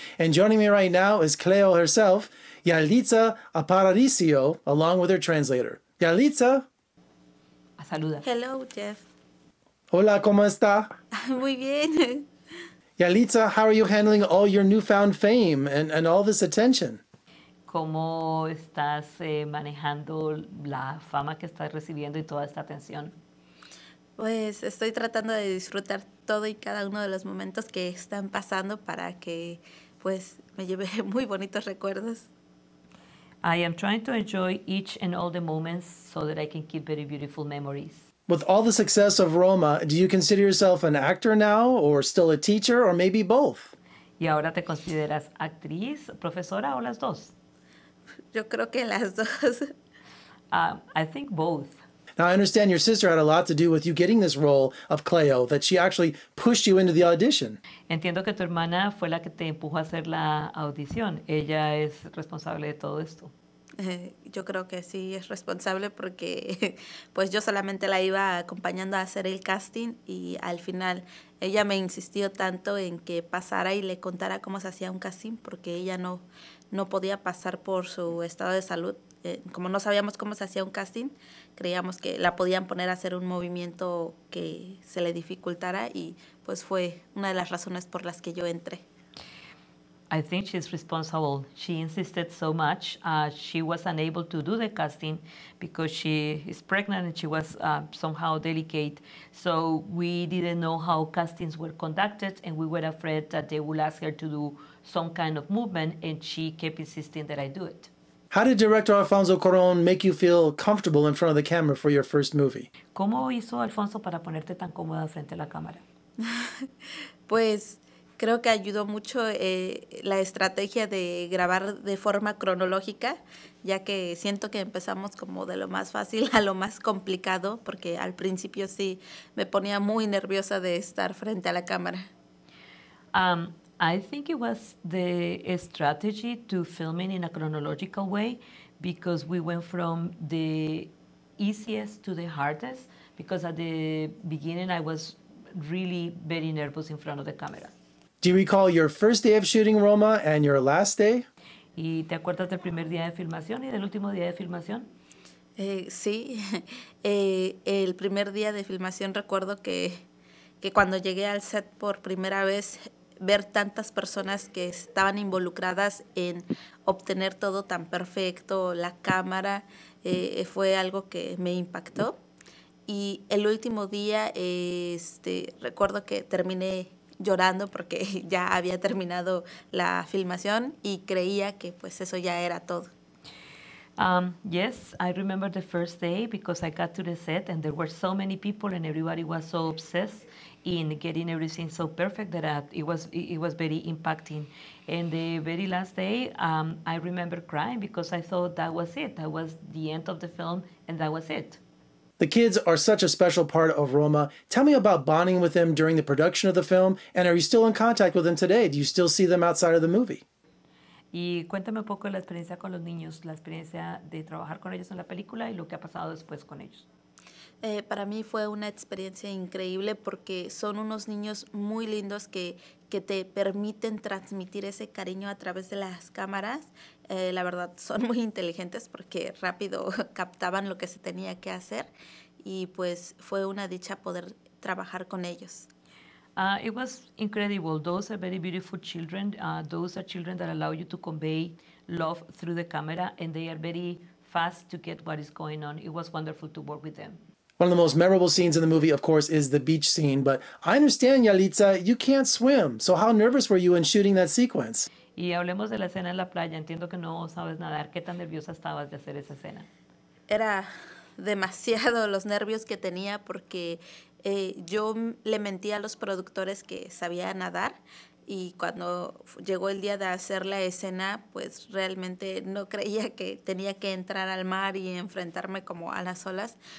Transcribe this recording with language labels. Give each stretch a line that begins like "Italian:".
English: And joining me right now is Cleo herself, Yalitza Aparicio, along with her translator. Yalitza.
Spanish: A saluda.
English: Hello, Jeff.
Spanish: Hola, ¿cómo está? Muy bien.
English: Yalitza, how are you handling all your newfound fame and all this attention?
Spanish: ¿Cómo estás manejando la fama que estás recibiendo y toda esta atención? Pues estoy tratando de disfrutar todo y cada uno de los momentos que están pasando para que pues me lleve muy bonitos recuerdos.
English: I am trying to enjoy each and all the moments so that I can keep very beautiful memories. With all the success of Roma, do you consider yourself an actor now, or still a teacher, or maybe both?
Spanish: ¿Y ahora te consideras actriz, profesora, o las dos? Yo creo que las dos.
English: I think both. Now, I understand your sister had a lot to do with you getting this role of Cleo, that she actually pushed you into the audition.
Spanish: Entiendo que tu hermana fue la que te empujó a hacer la audición. Ella es responsable de todo esto. Yo creo que sí es responsable porque pues yo solamente la iba acompañando a hacer el casting y al final ella me insistió tanto en que pasara y le contara cómo se hacía un casting porque ella no podía pasar por su estado de salud. Como no sabíamos cómo se hacía un casting, creíamos que la podían poner a hacer un movimiento que se le dificultara y pues fue una de las razones por las que yo entré.
English: I think she's responsible. She insisted so much. She was unable to do the casting because she is pregnant and she was somehow delicate. So we didn't know how castings were conducted and we were afraid that they would ask her to do some kind of movement and she kept insisting that I do it. How did director Alfonso Cuarón make you feel comfortable in front of the camera for your first movie?
Spanish: ¿Cómo hizo Alfonso para ponerte tan cómoda frente a la cámara? Pues... creo que ayudó mucho la estrategia de grabar de forma cronológica, ya que siento que empezamos como de lo más fácil a lo más complicado, porque al principio sí me ponía muy nerviosa de estar frente a la cámara.
English: I think it was the strategy to filming in a chronological way, because we went from the easiest to the hardest, because at the beginning I was really very nervous in front of the camera. Do you recall your first day of shooting Roma and your last day?
Spanish: ¿Y te acuerdas del primer día de filmación y del último día de filmación? Sí. El primer día de filmación recuerdo que cuando llegué al set por primera vez, ver tantas personas que estaban involucradas en obtener todo tan perfecto, la cámara, fue algo que me impactó. Y el último día, recuerdo que terminé llorando porque ya había terminado la filmación y creía que pues eso ya era todo.
English: Yes, I remember the first day because I got to the set and there were so many people and everybody was so obsessed in getting everything so perfect that it was very impacting. And the very last day, I remember crying because I thought that was it. That was the end of the film and that was it. The kids are such a special part of Roma. Tell me about bonding with them during the production of the film, and are you still in contact with them today? Do you still see them outside of the movie?
Spanish: Y cuéntame un poco la experiencia con los niños, la experiencia de trabajar con ellos en la película y lo que ha pasado después con ellos. Para mí fue una experiencia increíble porque son unos niños muy lindos que te permiten transmitir ese cariño a través de las cámaras. La verdad, son muy inteligentes porque rápido captaban lo que se tenía que hacer y pues fue una dicha poder trabajar con ellos.
English: It was incredible. Those are very beautiful children. Those are children that allow you to convey love through the camera and they are very fast to get what is going on. It was wonderful to work with them. One of the most memorable scenes in the movie, of course, is the beach scene. But I understand, Yalitza, you can't swim. So how nervous were you in shooting that sequence?
Spanish: Y hablemos de la escena en la playa. Entiendo que no sabes nadar. ¿Qué tan nerviosa estabas de hacer esa escena? Era demasiado los nervios que tenía porque yo le mentí a los productores que sabía nadar. Y cuando llegó el día de hacer la escena, pues realmente no creía que tenía que entrar al mar y enfrentarme como a las olas.